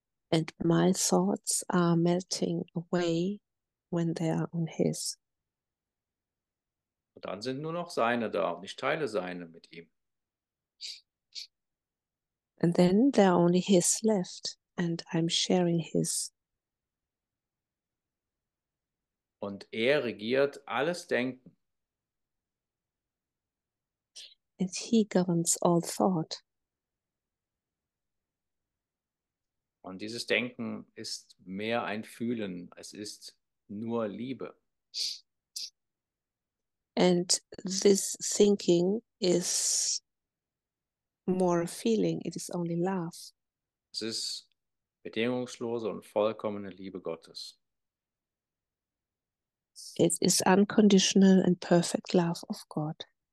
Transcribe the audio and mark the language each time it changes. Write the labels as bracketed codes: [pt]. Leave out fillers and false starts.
[en] And my thoughts are melting away when they are on his. [de] Und dann sind nur noch seine da und ich teile seine mit ihm. [en] And then there are only his left and I'm sharing his. [de] Und er regiert alles Denken. [en] And he governs all thought. [de] Und dieses Denken ist mehr ein Fühlen, es ist nur Liebe. [en] And this thinking is more a feeling, it is only love. [de] Es ist bedingungslose und vollkommene Liebe Gottes. [en] It is unconditional and perfect love of God.